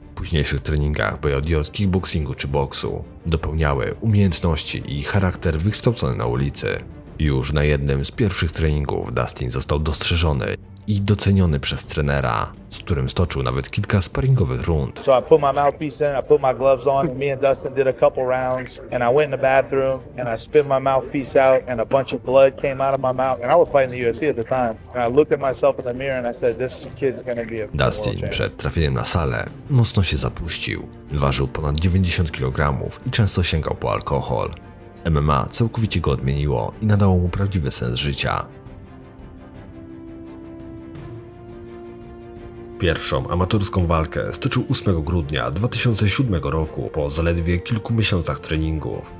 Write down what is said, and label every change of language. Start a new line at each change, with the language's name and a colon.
Polish: W późniejszych treningach BJJ, kickboxingu czy boksu dopełniały umiejętności i charakter wykształcony na ulicy. Już na jednym z pierwszych treningów Dustin został dostrzeżony i doceniony przez trenera, z którym stoczył nawet kilka sparingowych rund.
English: So I put my mouthpiece in, I put my gloves on, me and Dustin did a couple rounds, and I went in the bathroom, and I spit my mouthpiece out, and a bunch of blood came out of my mouth, and I was fighting the UFC at the time. And I looked at myself in the mirror and I said, this kid's gonna be a
Polish: Dustin przed trafieniem na salę mocno się zapuścił, ważył ponad 90 kg i często sięgał po alkohol. MMA całkowicie go odmieniło i nadało mu prawdziwy sens życia. Pierwszą amatorską walkę stoczył 8 grudnia 2007 roku po zaledwie kilku miesiącach treningów.